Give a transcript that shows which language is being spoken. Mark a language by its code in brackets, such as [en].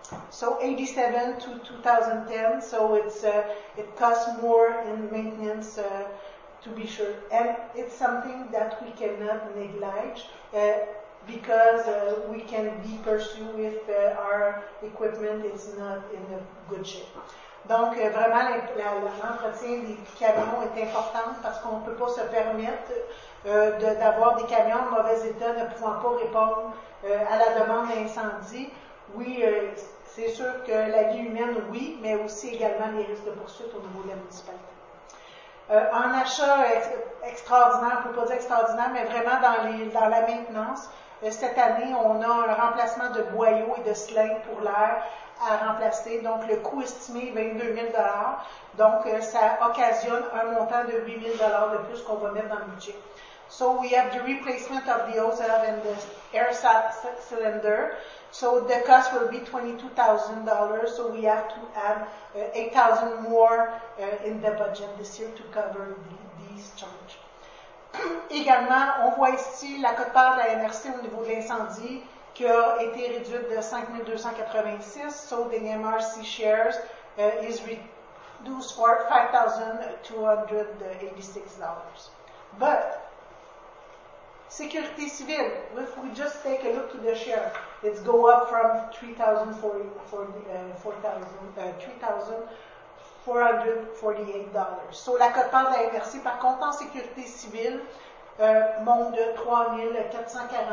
[en] So 87 to 2010, so it costs more in maintenance to be sure. And it's something that we cannot neglect because we can be pursued if our equipment is not in a good shape. [fr] Donc vraiment l'entretien des camions est important parce qu'on ne peut pas se permettre d'avoir des camions en mauvais état ne pouvant pas répondre à la demande d'incendie. Oui, C'est sûr que la vie humaine, oui, mais aussi également les risques de poursuite au niveau de la municipalité. Un achat extraordinaire, on peut pas dire extraordinaire, mais vraiment dans la maintenance. Cette année, on a un remplacement de boyaux et de cylindres pour l'air à remplacer. Donc, le coût estimé est 22 000 $. Donc, ça occasionne un montant de 8 000 $ de plus qu'on va mettre dans le budget. [en] So, we have the replacement of the OZEV and the air cylinder. So, the cost will be $22,000 $22,000. So, we have to add $8,000 more in the budget this year to cover these charges. [fr] Également, on voit ici la cote-part de la MRC au niveau de l'incendie qui a été réduite de 5 286, [en] so the MRC shares is reduced for $5,286. But, [fr] sécurité civile, [en] if we just take a look to the share, it's go up from $3,448. [fr] So, la cote-part de la MRC, par contre, en sécurité civile, monte de $3,448.